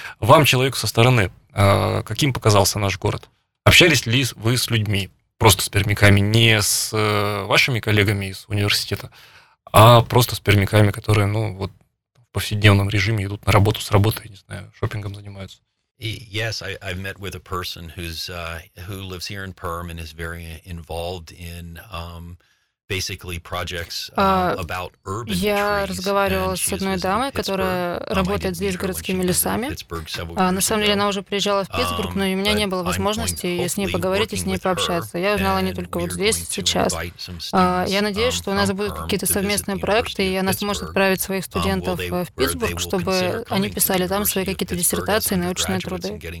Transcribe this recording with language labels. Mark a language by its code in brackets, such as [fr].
[ru] Вам, человеку со стороны, каким показался наш город? Общались ли вы с людьми, просто с пермяками, не с вашими коллегами из университета, а просто с пермяками, которые, ну, вот, в повседневном режиме идут на работу, с работы, я не знаю, шопингом занимаются? [en] Yes, I've met with a person who lives here in Perm and is very involved in... Basically projects about urban trees. [ru] Я разговаривала с одной дамой, которая работает здесь с городскими лесами. На самом деле, она уже приезжала в Питтсбург, но у меня не было возможности с ней поговорить и с ней пообщаться. Я узнала не только вот здесь, сейчас. Я надеюсь, что у нас будут какие-то совместные проекты, и она сможет отправить своих студентов в Питтсбург, чтобы они писали там свои какие-то диссертации, научные труды.